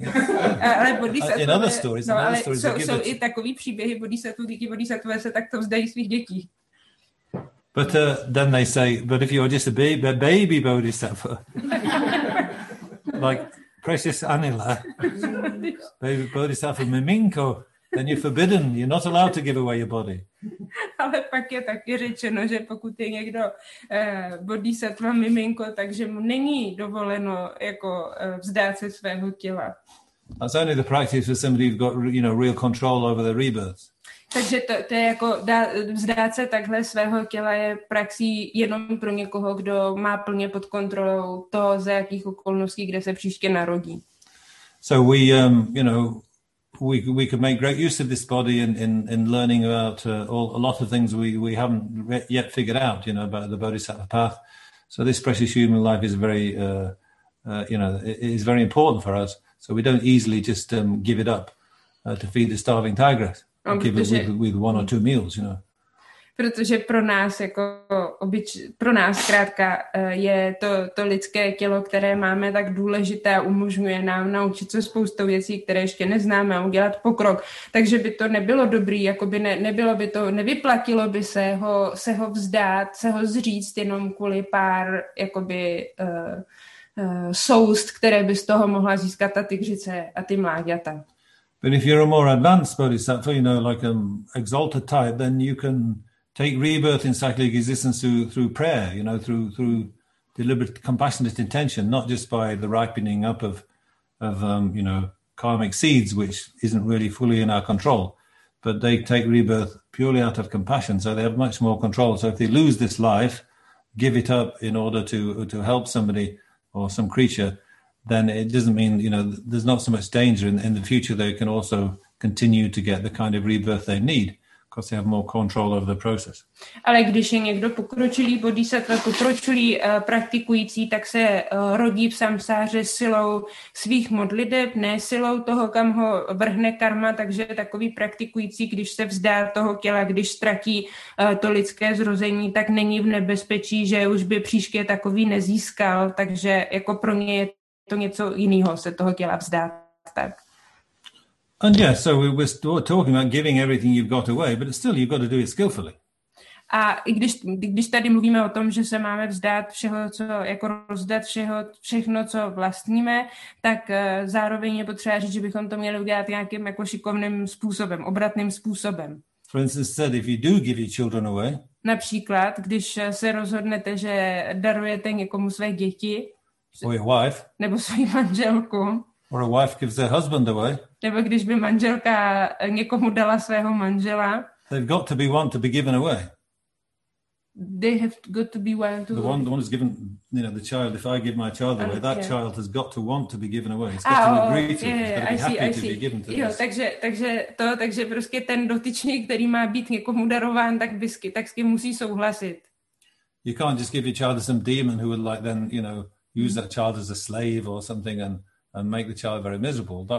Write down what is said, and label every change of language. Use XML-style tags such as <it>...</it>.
<en>In other stories, But then they say, but if you're just a baby bodhisattva, like precious Anila, baby bodhisattva Miminko, then you're forbidden. You're not allowed to give away your body.</en> <cs>Ale pak je taky řečeno, že pokud je někdo bodhisattva miminko, takže mu není dovoleno jako vzdát se svého těla.</cs> <en>That's only the practice for somebody who's got, you know, real control over their rebirth.</en> <cs>Takže to je jako vzdát se takhle svého těla je praxí jenom pro někoho, kdo má plně pod kontrolou to, za jakých okolností, kde se příště narodí.</cs> <en>So we, you know, we could make great use of this body in learning about a lot of things we haven't yet figured out, you know, about the bodhisattva path. So this precious human life is very you know, is very important for us, so we don't easily just give it up to feed the starving tigress and give it with one or two meals, you know.</en> <cs>Protože pro nás jako pro nás krátka je to lidské tělo, které máme, tak důležité a umožňuje nám naučit se spoustu věcí, které ještě neznáme a udělat pokrok. Takže by to nebylo dobrý, jakoby nebylo by to, nevyplatilo by se ho, se ho vzdát, se ho zříct jenom kvůli pár jakoby soust, které by z toho mohla získat ta tygřice a ty mláďata.</cs> <en>But if you're a more advanced bodhisattva, you know, like an exalted type, then you can take rebirth in cyclic existence through prayer, you know, through deliberate compassionate intention, not just by the ripening up of you know, karmic seeds, which isn't really fully in our control, but they take rebirth purely out of compassion, so they have much more control. So if they lose this life, give it up in order to help somebody or some creature, then it doesn't mean, you know, there's not so much danger in the future. They can also continue to get the kind of rebirth they need. Because they have more control over the process.</en> <cs>Ale když je někdo pokročilý bodhisattva, pokročilý praktikující, tak se rodí v samsáře silou svých modliteb, ne silou toho, kam ho vrhne karma, takže takový praktikující, když se vzdá toho těla, když ztratí to lidské zrození, tak není v nebezpečí, že už by příště takový nezískal, takže jako pro ně je to něco jiného se toho těla vzdát. Tak.</cs> <en>And yeah, so we were talking about giving everything you've got away, but still you've got to do it skillfully.</en> <cs>A když tady mluvíme o tom, že se máme vzdát všeho, co jako rozdat všechno, co vlastníme, tak zároveň je potřeba říct, že bychom to měli udělat nějakým jako šikovným způsobem, obratným způsobem.</cs> <en>For instance, said if you do give your children away.</en> <cs>Například, když se rozhodnete, že darujete někomu své děti.</cs> <en>Or your wife.</en> <cs>Nebo svou manželku.</cs> <en>Or a wife gives their husband away.</en> <cs>Nebo když by manželka někomu dala svého manžela.</cs> <en>They've got to be one to be given away. They have got to be one to. The one is given, you know, the child. If I give my child away, that child has got to want to be given away. It's got to agree to. Yeah, it's got to be happy to be given to.</en> <cs>Jo, takže prostě ten dotyčný, který má být někomu darován, tak s kým musí souhlasit.</cs> <en>You can't just give your child to some demon who would like then, you know, use that child as a slave or something and make the child very miserable.</en>